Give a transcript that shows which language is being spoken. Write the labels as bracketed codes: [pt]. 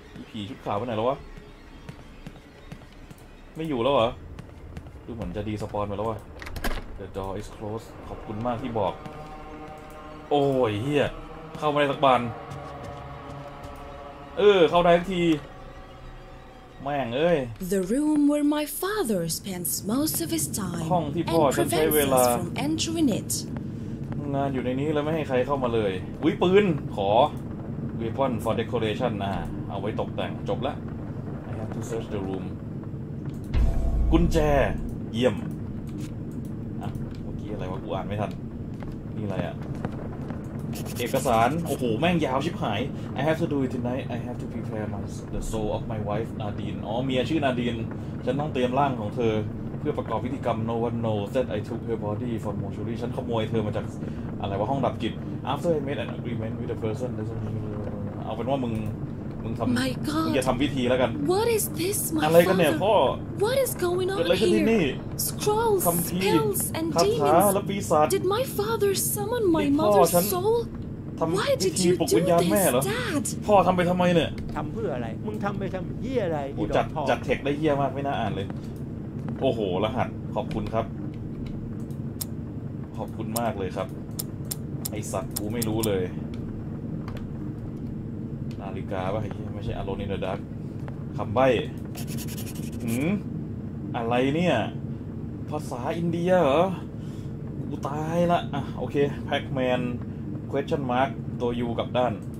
[th] ผีชุดขาวไปไหนแล้ววะไม่อยู่แล้วเหรอดูเหมือนจะดีสปอนไปแล้ววะ [en] The door is closed [th] ขอบคุณมากที่บอกโอ้ยเฮียเข้ามาได้สักบานเออเข้าได้ทันทีแม่งเอ้ย [en] The room where my father spends most of his time [th] ห้องที่พ่อใช้เวลา [en] from entering it [th] งานอยู่ในนี้แล้วไม่ให้ใครเข้ามาเลยอุ้ยปืนขอ [en] Weapon for decoration [th] นะเอาไว้ตกแต่งจบแล้ว [en] I have to search the room [th] กุญแจเยี่ยมอะเมื่อกี้อะไรวะกูอ่านไม่ทันนี่อะไรอะเอกสารโอ้โหแม่งยาวชิบหาย [en] I have to do it tonight I have to prepare my, the soul of my wife Nadine [th] อ๋อเมียชื่อ Nadine ฉันต้องเตรียมร่างของเธอเพื่อประกอบพิธีกรรม [en] No one knows that I took her body from mortuary [th] ฉันขโมยเธอมาจากอะไรวะห้องดับจิต [en] After I made an agreement with the person [th] เอาเป็นว่ามึงทำ [en] my god [th] มึงอย่าทำพิธีแล้วกัน [en] What is this my god [th] อะไรกันเนี่ยพ่อ [en] What is going on here [th] อะไรกันที่นี่ [en] Scrolls spells and demons [th] คาถาและปีศาจ [en] Did my father summon my mother's soul [th] ทำพิธีปลุกวิญญาณแม่เหรอพ่อทำไปทำไมเนี่ย ทำเพื่ออะไรมึงทำไปทำเหี้ยอะไร กูจัดเทคได้เหี้ยมากไม่น่าอ่านเลยโอ้โหรหัสขอบคุณครับขอบคุณมากเลยครับไอสัตว์กูไม่รู้เลยนาฬิกาป่ะไอ้เหี้ยไม่ใช่ Alone in the Dark คำใบ้หืมอะไรเนี่ยภาษาอินเดียเหรอกูตายละอ่ะโอเค Pac-Man [en] question mark [th] ตัว U กับด้าน